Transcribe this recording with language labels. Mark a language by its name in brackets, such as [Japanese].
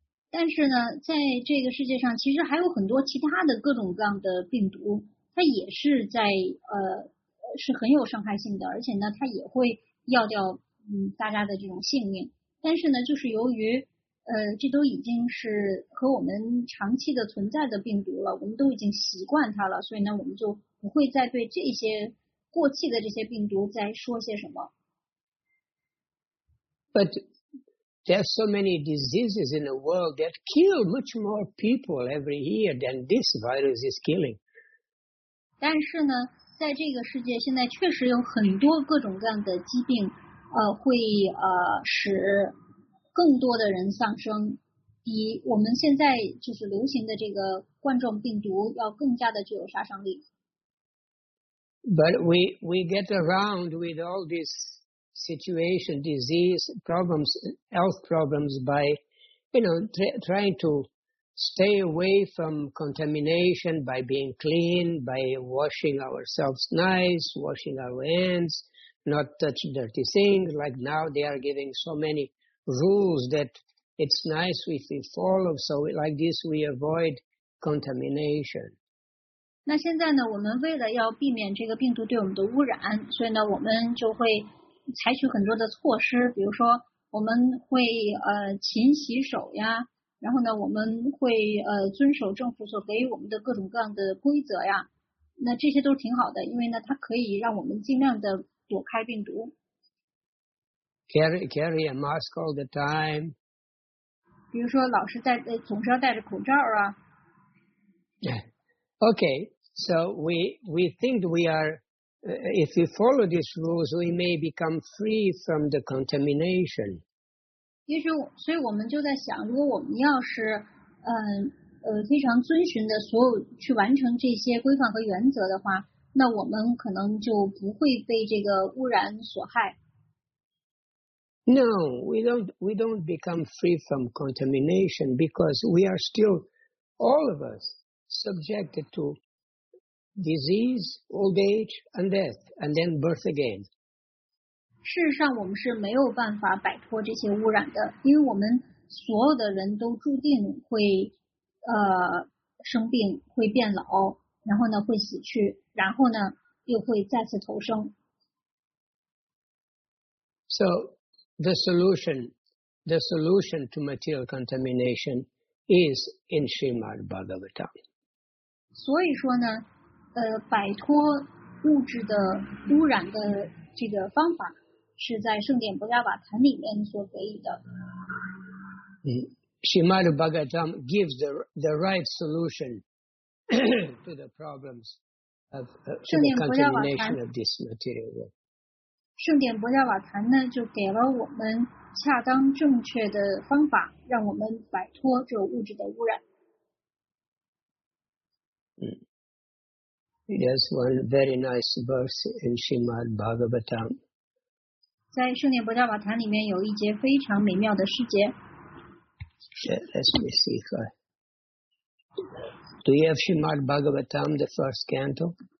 [Chinese] 但是呢，在这个世界上，其实还有很多其他的各种各样的病毒，它也是在是很有伤害性的，而且呢，它也会要掉大家的这种性命。但是呢，就是由于这都已经是和我们长期的存在的病毒了，我们都已经习惯它了，所以呢，我们就不会再对这些。过气的这些病毒在说些什么 [English] ？But there are so many diseases in the world that kill much more people every year than this virus is killing. [Chinese] 但是呢，在这个世界现在确实有很多各种各样的疾病，会使更多的人丧生，比我们现在就是流行的这个冠状病毒要更加的具有杀伤力。 [English] But we get around with all this situation, disease problems, health problems by, you know, trying to stay away from contamination by being clean, by washing ourselves nice, washing our hands, not touch dirty things. Like now they are giving so many rules that it's nice if we follow. So like this, we avoid contamination. [Chinese] 那现在呢，我们为了要避免这个病毒对我们的污染，所以呢，我们就会采取很多的措施，比如说我们会勤洗手呀，然后呢，我们会遵守政府所给我们的各种各样的规则呀。那这些都挺好的，因为呢，它可以让我们尽量的躲开病毒。 [English] Carry a mask all the time. [Chinese] 比如说，老是戴，总是要戴着口罩啊。 [English] Okay, so we think we are, if we follow these rules, we may become free from the contamination. [Chinese] 也许，所以我们就在想，如果我们要是，非常遵循的所有去完成这些规范和原则的话，那我们可能就不会被这个污染所害。 [English] No, we don't become free from contamination because we are still, all of us, subjected to disease, old age, and death, and then birth again. [Chinese] 事实上，我们是没有办法摆脱这些污染的，因为我们所有的人都注定会生病，会变老，然后呢会死去，然后呢又会再次投生。 [English] So the solution to material contamination is in Srimad Bhagavatam. [Chinese] 所以说呢，摆脱物质的污染的这个方法是在圣典波迦瓦坛里面所给予的。 [English] Srimad Bhagavatam gives the right solution to the problems of contamination of this material world. [Chinese] 圣典波迦瓦坛呢，就给了我们恰当正确的方法，让我们摆脱这物质的污染。 [English] There's one very nice verse in Srimad Bhagavatam. [Chinese] 在圣典波迦瓦坛里面有一节非常美妙的诗节。 [English] Let me see if I... Do you have Srimad Bhagavatam, the first canto?